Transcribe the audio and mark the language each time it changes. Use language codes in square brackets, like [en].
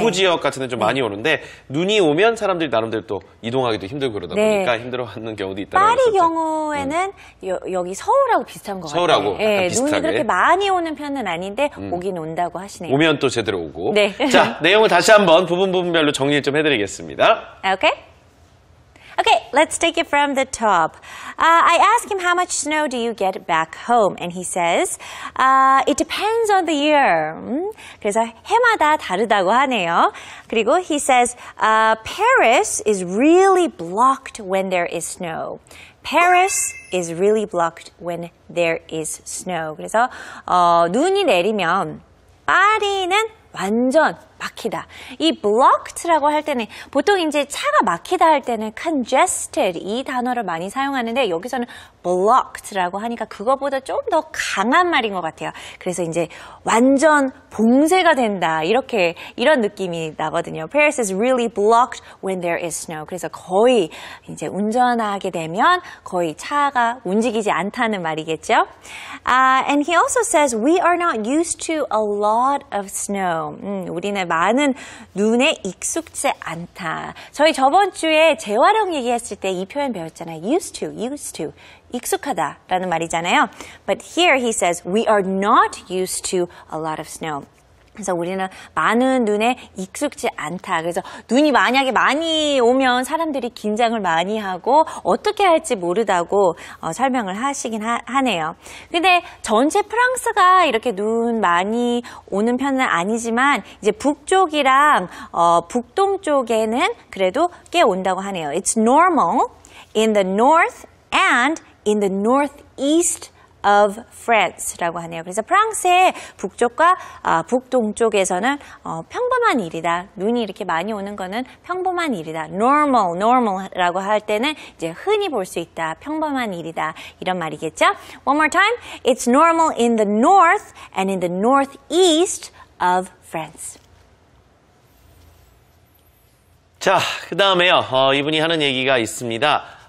[ko] 북부 지역 같은 데 좀 많이 오는데 눈이 오면 사람들이 나름대로 또 이동하기도 힘들고 그러다 보니까 힘들어하는 경우도 있다고 했었죠. 파리 경우에는 여기 서울하고 비슷한 것 서울하고 같아요. 서울하고 비슷하게. 눈이 그렇게 많이 오는 편은 아닌데 오긴 온다고 하시네요. 오면 또 제대로 오고. 네. 자, 내용을 다시 한번 부분 부분별로 정리 좀 해드리겠습니다. [en] 오케이. Okay, let's take it from the top. I asked him, how much snow do you get back home? And he says, it depends on the year. [ko] 그래서 해마다 다르다고 하네요. [en] 그리고 he says, Paris is really blocked when there is snow. Paris is really blocked when there is snow. [ko] 그래서 눈이 내리면 파리는 완전 막히다. 이 blocked라고 할 때는 보통 이제 차가 막히다 할 때는 congested 이 단어를 많이 사용하는데 여기서는 blocked라고 하니까 그거보다 좀 더 강한 말인 것 같아요. 그래서 이제 완전 봉쇄가 된다. 이렇게 이런 느낌이 나거든요. [en] Paris is really blocked when there is snow. [ko] 그래서 거의 이제 운전하게 되면 거의 차가 움직이지 않다는 말이겠죠. [en] And he also says we are not used to a lot of snow. [ko] 우리는 많은 눈에 익숙지 않다. 저희 저번 주에 재활용 얘기했을 때 이 표현 배웠잖아요. [en] used to. [ko] 익숙하다라는 말이잖아요. [en] But here he says we are not used to a lot of snow. [ko] 그래서 우리는 많은 눈에 익숙지 않다. 그래서 눈이 만약에 많이 오면 사람들이 긴장을 많이 하고 어떻게 할지 모르다고 설명을 하시긴 하네요. 근데 전체 프랑스가 이렇게 눈 많이 오는 편은 아니지만 이제 북쪽이랑 북동 쪽에는 그래도 꽤 온다고 하네요. [en] It's normal in the north and in the northeast of France [ko] 라고 하네요. 그래서 프랑스의 북쪽과 북동쪽에서는 평범한 일이다. 눈이 이렇게 많이 오는 거는 평범한 일이다. Normal라고 할 때는 이제 흔히 볼 수 있다. 평범한 일이다. 이런 말이겠죠? [en] One more time. It's normal in the north and in the northeast of France. [ko] 자, 그 다음에요. 이분이 하는 얘기가 있습니다.